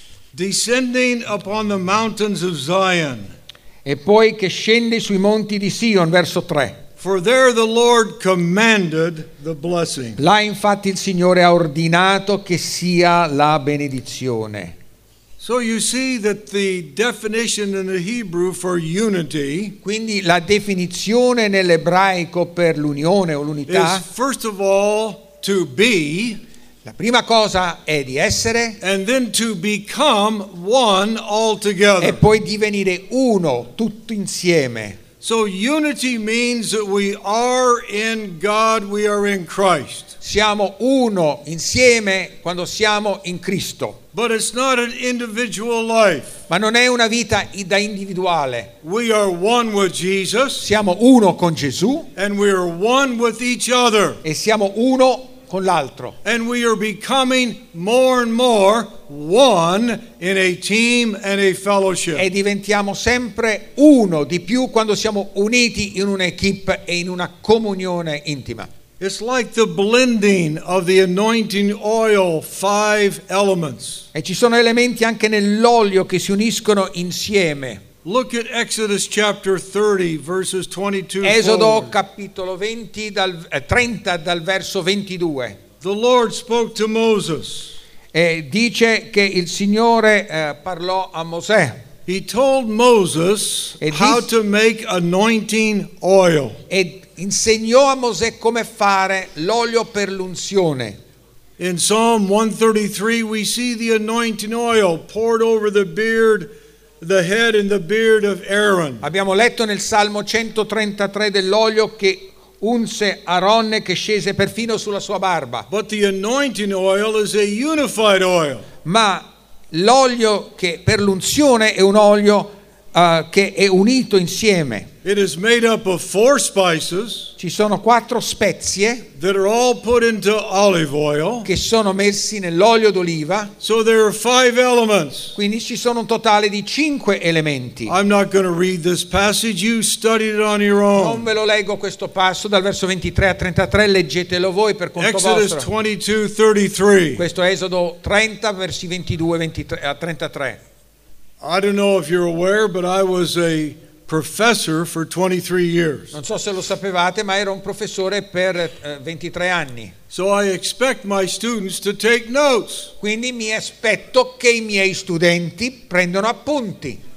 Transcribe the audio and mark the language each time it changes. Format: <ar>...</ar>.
<en>Descending upon the mountains of Zion.</en> <it>E poi che scende sui monti di Sion, verso 3.</it> <en>For there the Lord commanded the blessing.</en> <it>Là infatti il Signore ha ordinato che sia la benedizione.</it> <en>So you see that the definition in the Hebrew for unity,</en> <it>quindi la definizione nell'ebraico per l'unione o l'unità,</it> <en>is first of all to be,</en> <it>la prima cosa è di essere,</it> <en>and then to become one altogether,</en> <it>e poi divenire uno tutto insieme.</it> <en>So unity means that we are in God, we are in Christ.</en> <it>Siamo uno insieme quando siamo in Cristo.</it> <en>But it's not an individual life.</en> <it>Ma non è una vita da individuale.</it> <en>We are one with Jesus.</en> <it>Siamo uno con Gesù.</it> <en>And we are one with each other.</en> <it>E siamo uno con l'altro.</it> <en>And we are becoming more and more one in a team and a fellowship.</en> <it>E diventiamo sempre uno di più quando siamo uniti in un'equipe e in una comunione intima.</it> <en>It's like the blending of the anointing oil, five elements.</en> <it>E ci sono elementi anche nell'olio che si uniscono insieme.</it> <en>Look at Exodus chapter 30, verses 22.</en> <it>Esodo</it> <en>forward.</en> <it>Capitolo 20 dal 30 dal verso 22.</it> <en>The Lord spoke to Moses.</en> <it>E dice che il Signore parlò a Mosè.</it> <en>He told Moses how to make anointing oil.</en> <it>E insegnò a Mosè come fare l'olio per l'unzione.</it> <en>In Psalm 133 we see the anointing oil poured over the beard, the head and the beard of Aaron.</en> <it>Abbiamo letto nel Salmo 133 dell'olio che unse Aronne che scese perfino sulla sua barba.</it> <en>But the anointing oil is a unified oil.</en> <it>Ma l'olio che per l'unzione è un olio che è unito insieme.</it> <en>It is made up of four spices.</en> <it>Ci sono quattro spezie</it> <en>that are all put into olive oil.</en> <it>Che sono messi nell'olio d'oliva.</it> <en>So there are five elements.</en> <it>Quindi ci sono un totale di cinque elementi.</it> <en>I'm not going to read this passage. You studied it on your own.</en> <it>Non ve lo leggo questo passo dal verso 23 a 33. Leggetelo voi per conto</it> <en>Exodus</en> <it>vostro.</it> <en>Exodus 22:33.</en> <it>Questo è Esodo 30 versi 22 a 33.</it> <en>I don't know if you're aware, but I was a professor for 23 years.</en> <it>Non so se lo sapevate, ma ero un professore per 23 anni.</it> <en>So I expect my students to take notes.</en> <it>Quindi mi aspetto che I miei studenti prendano appunti.</it>